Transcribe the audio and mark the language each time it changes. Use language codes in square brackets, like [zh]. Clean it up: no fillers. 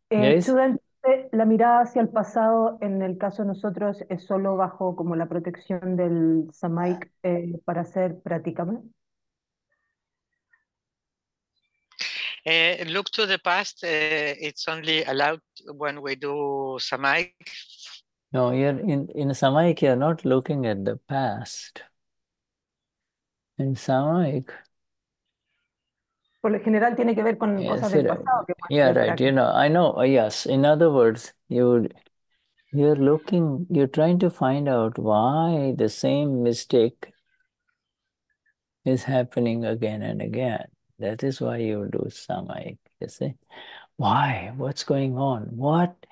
[es] Shuddha, la mirada hacia el pasado, en el caso de nosotros, ¿es solo bajo como la protección del Samaik para hacer Pratikama? [en] Look to the past, it's only allowed when we do Samaik. No, you're in Samaik, you're not looking at the past. In Samaik. [es] Por lo general tiene que ver con yes, cosas del pasado. Que [en] yeah, right, you know, I know, yes. In other words, you're looking, you're trying to find out why the same mistake is happening again and again. That is why you do Samaik, you see. Why? What's going on? What?